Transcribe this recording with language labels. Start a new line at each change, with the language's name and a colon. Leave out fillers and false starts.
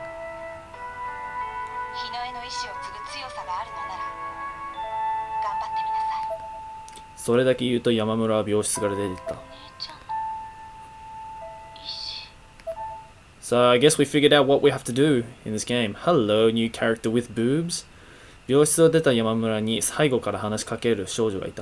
Japanese: 日の絵の意志を継ぐ強さがあるのなら頑張ってみなさい。それだけ言うと山村は病室から出てった。
English: So I guess we figured out what we have to do in this game. Hello, new character with boobs.
Japanese: 病室を出た山村に最後から話しかける少女がいた。